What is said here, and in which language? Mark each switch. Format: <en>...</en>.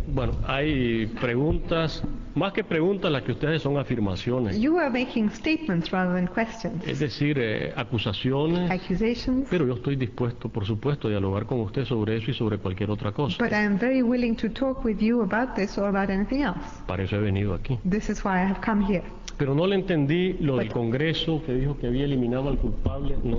<es>Bueno, hay preguntas, más que preguntas, las que ustedes son afirmaciones.</es> <en>You are making statements rather than questions.</en> <es>Es decir, acusaciones.</es> <en>Accusations.</en> <es>Pero yo estoy dispuesto, por supuesto, a dialogar con usted sobre eso y sobre cualquier otra cosa.</es> <en>But I am very willing to talk with you about this or about anything else.</en> <es>Para eso he venido aquí.</es> <en>This is why I have come here.</en> <es>Pero no le entendí lo del Congreso que dijo que había eliminado al culpable.</es>